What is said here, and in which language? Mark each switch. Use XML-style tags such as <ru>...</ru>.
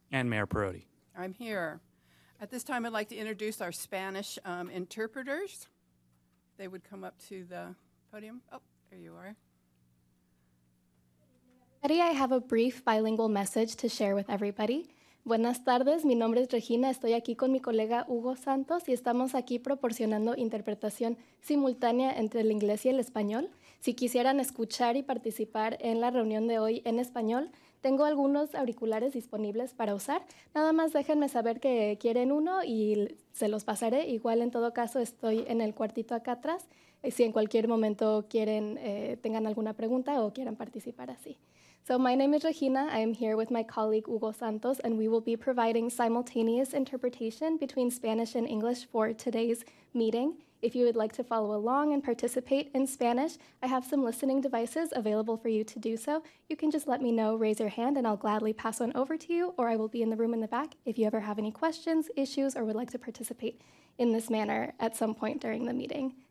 <en>And Mayor Perotti. I'm here. At this time, I'd like to introduce our Spanish interpreters. They would come up to the podium. Oh, there you are. Ready? I have a brief bilingual message to share with everybody.</en> <es>Buenas tardes, mi nombre es Regina, estoy aquí con mi colega Hugo Santos y estamos aquí proporcionando interpretación simultánea entre el inglés y el español. Si quisieran escuchar y participar en la reunión de hoy en español, tengo algunos auriculares disponibles para usar. Nada más déjenme saber que quieren uno y se los pasaré. Igual en todo caso estoy en el cuartito acá atrás, si en cualquier momento quieren, tengan alguna pregunta o quieran participar así.</es> <en>So my name is Regina. I am here with my colleague Hugo Santos, and we will be providing simultaneous interpretation between Spanish and English for today's meeting. If you would like to follow along and participate in Spanish, I have some listening devices available for you to do so. You can just let me know, raise your hand, and I'll gladly pass one over to you, or I will be in the room in the back if you ever have any questions, issues, or would like to participate in this manner at some point during the meeting.</en>